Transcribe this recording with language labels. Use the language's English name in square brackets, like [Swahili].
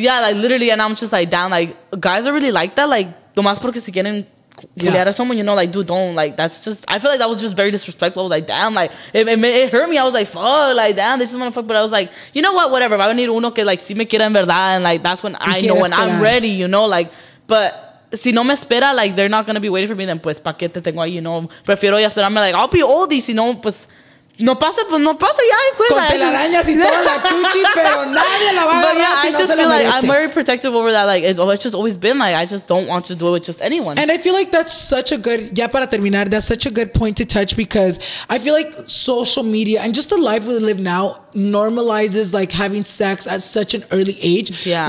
[English] Yeah, like, literally, and I'm just like, damn, like, guys are really like that. Like, [Spanish] nomás porque si quieren culiar [English] a someone, you know, like, dude, don't, like, that's just, I feel like that was just very disrespectful. I was like, damn, like, it hurt me. I was like, fuck, like, damn, they just want to fuck. But I was like, you know what, whatever. I need uno que, like, [Spanish] si me quiera en verdad, [English] and, like, that's when I know when I'm ready, you know, like, but... [Spanish] Si no me espera, [English] like, they're not going to be waiting for me, then, [Spanish] pues, pa' que te tengo ahí, [English] you know? [Spanish] Prefiero ya esperarme, like, [English] I'll be old, [Spanish] y si no, pues, no pasa, pues, no pasa, ya, pues. Con telarañas y toda la cuchi, pero nadie la va a agarrar si no se la merece. [English] Like, I'm very protective over that, like, it's just always been, like, I just don't want to do it with just anyone. And I feel like that's such a good, [Spanish] ya para terminar, [English] that's such a good point to touch, because I feel like social media, and just the life we live now, normalizes, like, having sex at such an early age. Yeah.